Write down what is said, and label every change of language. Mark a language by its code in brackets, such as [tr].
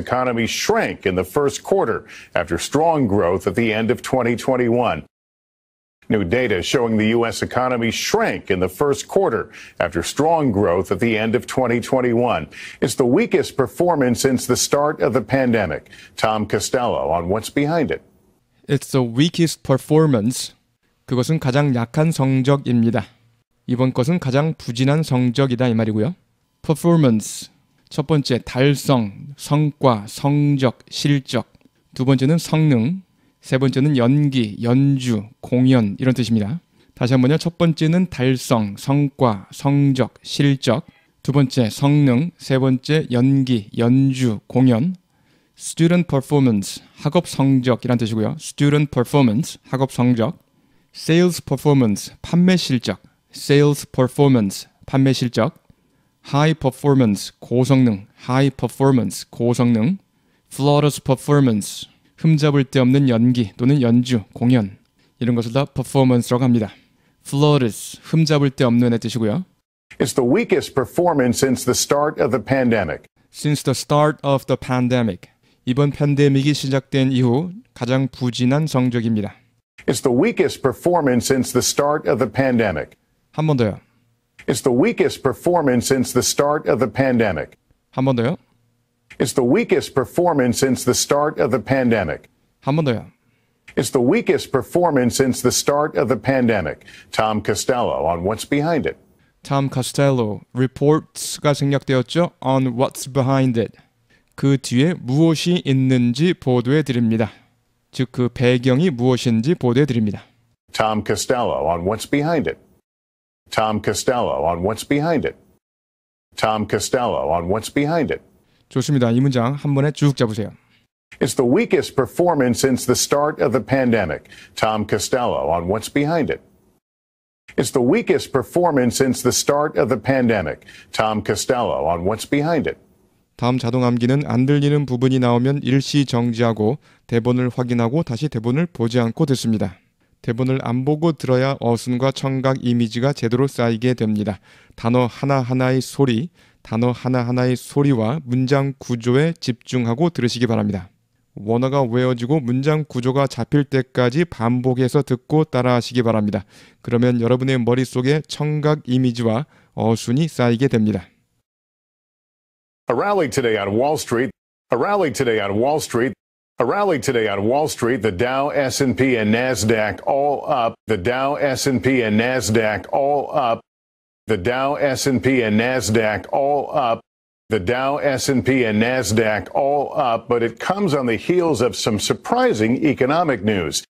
[en] economy shrank in the first quarter after strong growth at the end of 2021. New data showing the U.S. economy shrank in the first quarter after strong growth at the end of 2021. It's the weakest performance since the start of the pandemic. Tom Costello on what's behind it. It's the weakest performance. [ko] 그것은 가장 약한 성적입니다. 이번 것은 가장 부진한 성적이다 이 말이고요. Performance, 첫 번째 달성, 성과, 성적, 실적. 두 번째는 성능. 세 번째는 연기, 연주, 공연 이런 뜻입니다. 다시 한번요. 첫 번째는 달성, 성과, 성적, 실적. 두 번째 성능, 세 번째 연기, 연주, 공연. Student performance, 학업 성적이란 뜻이고요. Student performance, 학업 성적. Sales performance, 판매 실적. Sales performance, 판매 실적. [en] High performance, 고성능. High performance, 고성능. [ko] Flawless performance, 흠잡을 데 없는 연기 또는 연주, 공연. 이런 것을 다 performance라고 합니다. Flawless, 흠잡을 데 없는의 뜻이고요. [en] It's the weakest performance since the start of the pandemic. Since the start of the pandemic. [ko] 이번 팬데믹이 시작된 이후 가장 부진한 성적입니다. [en] It's the weakest performance since the start of the pandemic. [ko] 한 번 더요. [en] It's the weakest performance since the start of the pandemic. [ko] 한 번 더요. [en] It's the weakest performance since the start of the pandemic. [ko] 한 번 더요. [en] It's the weakest performance since the start of the pandemic. Tom Costello on what's behind it. Tom Costello, reports가 생략되었죠? On what's behind it. [ko] 그 뒤에 무엇이 있는지 보도해 드립니다. 즉, 그 배경이 무엇인지 보도해 드립니다. [en] Tom Costello on what's behind it. Tom Costello on what's behind it. Tom Costello on what's behind it. [ko] 좋습니다. 이 문장 한 번에 쭉 잡으세요. [en] It's the weakest performance since the start of the pandemic. Tom Costello on what's behind it. It's the weakest performance since the start of the pandemic. Tom Costello on what's behind it. [ko] 다음 자동 암기는 안 들리는 부분이 나오면 일시 정지하고 대본을 확인하고 다시 대본을 보지 않고 듣습니다. 대본을 안 보고 들어야 어순과 청각 이미지가 제대로 쌓이게 됩니다. 단어 하나하나의 소리, 단어 하나하나의 소리와 문장 구조에 집중하고 들으시기 바랍니다. 원어가 외워지고 문장 구조가 잡힐 때까지 반복해서 듣고 따라하시기 바랍니다. 그러면 여러분의 머릿속에 청각 이미지와 어순이 쌓이게 됩니다. [en] A rally today on Wall Street. A rally today on Wall Street. A rally today on Wall Street, the Dow, S&P, and NASDAQ all up. The Dow, S&P, and NASDAQ all up. The Dow, S&P, and NASDAQ all up. The Dow, S&P, and NASDAQ all up. But it comes on the heels of some surprising economic news.